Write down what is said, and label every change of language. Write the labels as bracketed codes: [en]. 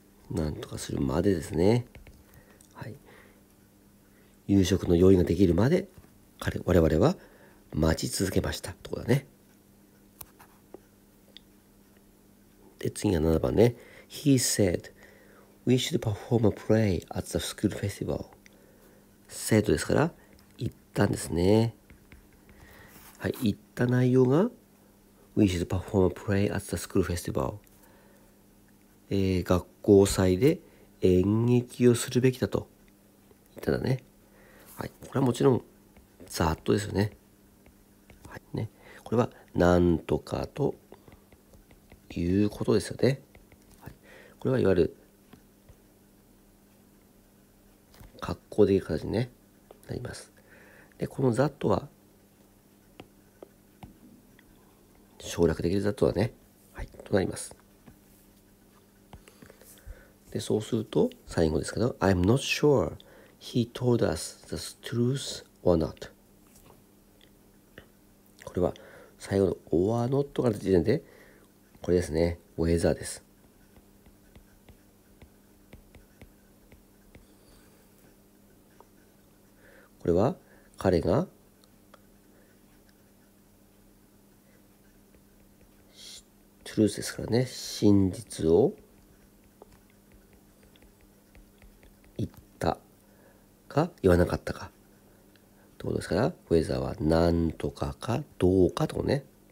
[ja] なんとかするまでですね。はい、夕食の用意ができるまで彼、我々は待ち続けましたとこだね。で、次は7番ね。 [en] He said, we should perform a play at the school festival. [ja] said ですから、言ったんですね。 [en] はい、 [ja] 言った内容が、 [en] we should perform a play at the school festival。 [ja] 学校祭で演劇をするべきだと言ったんだね。はい、これはもちろん、ざっとですよね。はい、ね。これは、なんとかと、いうことですよね。はい、これはいわゆる格好でいい形に、ね、なります。で、このザットは省略できるザットはね、はい、となります。 [en] で、 [ja] そうすると最後ですけど、 [en] I'm not sure he told us the truth or not。 [ja] これは最後の or not から出てるんで、これですね、ウェザーです。これは彼が truth ですからね、真実を言ったか言わなかったかってことですから、ウェザーは何とかかどうかとね。